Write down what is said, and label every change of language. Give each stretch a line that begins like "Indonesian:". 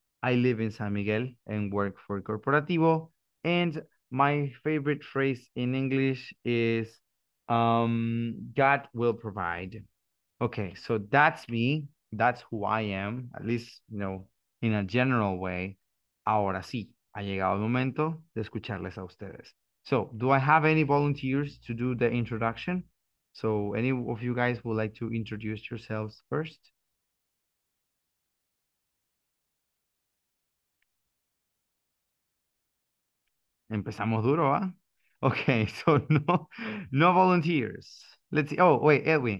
English: I live in San Miguel and work for Corporativo. And my favorite phrase in English is God will provide. Okay, so that's me. That's who I am, at least, you know, in a general way.
Spanish: Ahora sí, ha llegado el momento de escucharles a ustedes.
English: So, do I have any volunteers to do the introduction? So, any of you guys would like to introduce yourselves first?
Spanish: Empezamos duro, ¿eh?
English: Okay, so no volunteers. Let's see. Oh, wait, Edwin.